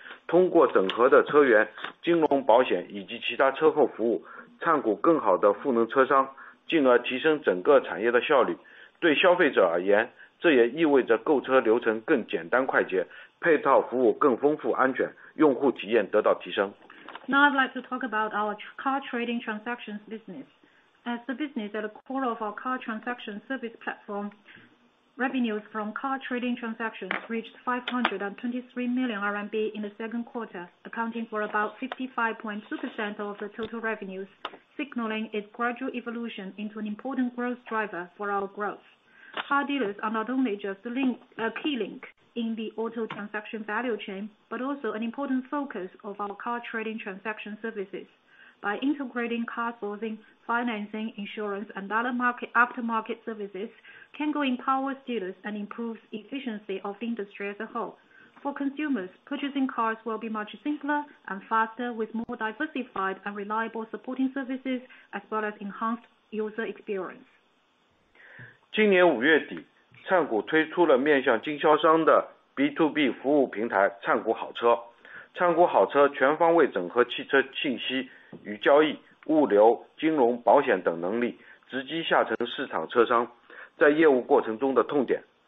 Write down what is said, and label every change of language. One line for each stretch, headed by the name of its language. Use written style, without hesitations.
Chinese: 通过整合的车源、金融、保险以及其他车后服 务， 灿谷更好地赋能车 商， 进而提升整个产业的效率。对消费者而 言， 这也意味着购车流程更简单快 捷， 配套服务更丰富安 全， 用户体验得到提升。
English: Now I'd like to talk about our car trading transactions business. As the business at the core of our car transaction service platform, revenues from car trading transactions reached 523 million RMB in the second quarter, accounting for about 55.2% of the total revenues, signaling its gradual evolution into an important growth driver for our growth. Car dealers are not only just a key link in the auto transaction value chain, but also an important focus of our car trading transaction services. By integrating car sourcing, financing, insurance, and other aftermarket services, Cango empowers dealers and improves efficiency of the industry as a whole. For consumers, purchasing cars will be much simpler and faster, with more diversified and reliable supporting services, as well as enhanced user experience.
Chinese: 今年5月底，灿谷推出了面向经销商的 B2B 服务平台——灿谷好车。灿谷好车全方位整合汽车信息与交易，物流、金融、保险等能力，直击下沉市场车商在业务过程中的痛点。